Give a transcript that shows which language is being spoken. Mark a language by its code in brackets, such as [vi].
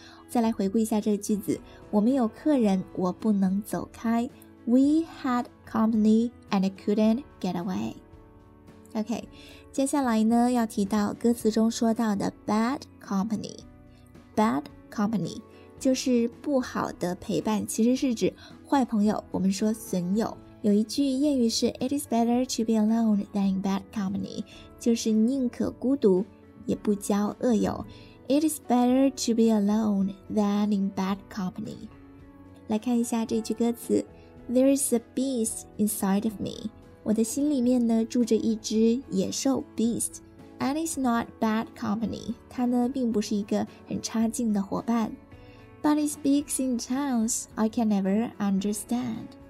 [zh] 再来回顾一下这个句子，我们有客人我不能走开， [en] We had company and couldn't get away. [zh] OK, 接下来呢要提到歌词中说到的 bad company. Bad company 就是不好的陪伴，其实是指坏朋友，我们说损友。有一句谚语是 [en] It is better to be alone than in bad company, [zh] 就是宁可孤独也不交恶友。 [en] It is better to be alone than in bad company. [zh] 来看一下这句歌词， [en] There is a beast inside of me. [zh] 我的心里面呢住着一只野兽 beast. [en] And it's not bad company. [zh] 它呢并不是一个很差劲的伙伴。 [en] But it speaks in tongues I can never understand.